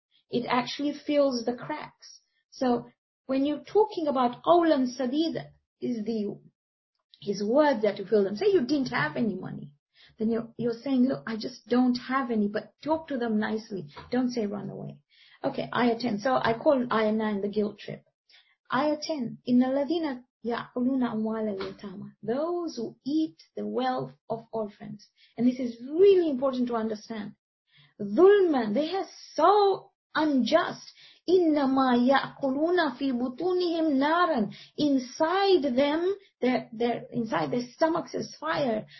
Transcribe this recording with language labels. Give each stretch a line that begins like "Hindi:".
English: It actually fills the cracks. So when you're talking about Qawlan Sadida, is words that you fill them. Say you didn't have any money. Then you're saying, look, I just don't have any, but talk to them nicely. Don't say run away. Okay, ayah 10. So I call ayah 9 the guilt trip. Ayah 10,
Arabic: إِنَّ الَّذِينَ يَعْقُلُونَ أَمْوَالَ الْيَتَامَى.
English: Those who eat the wealth of orphans. And this is really important to understand.
Arabic: ظُلْمًا,
English: they are so unjust.
Arabic: إِنَّمَا يَعْقُلُونَ فِي بُطُونِهِمْ نَارًا.
English: Inside them, inside their stomachs is fire.